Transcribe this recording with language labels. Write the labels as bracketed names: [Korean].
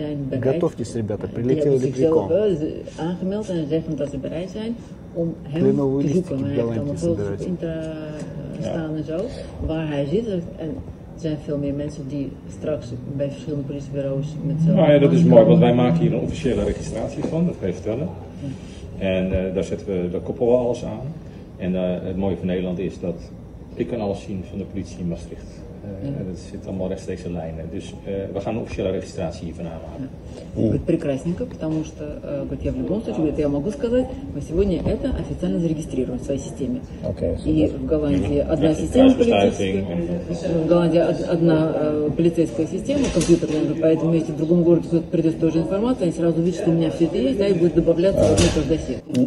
[Russian] Готовьтесь, ребята, прилетел легко. Кленовые листики в Голландии собирать. [Dutch] Zijn veel meer mensen die straks bij verschillende politiebureaus met zelf. Nou ja, dat is mooi, want wij maken hier een officiële registratie van, dat kan je vertellen. Ja. En daar koppelen we alles aan. En het mooie van Nederland is dat ik kan alles zien van de politie in Maastricht. Dat zit allemaal rechtstreeks in lijnen. Dus we gaan een officiële registratie hier vanavond houden. [Russian] Говорит, прекрасненько, потому что, говорит, я в любом случае, говорит, я могу сказать, мы сегодня это официально зарегистрируем в своей системе. Okay, so и в Голландии одна система полицейская, в Голландии одна полицейская система, компьютерная, поэтому если в другом городе кто-то придет с той же информацией, они сразу увидят, что у меня все это есть, да, и будет добавляться в этот досье.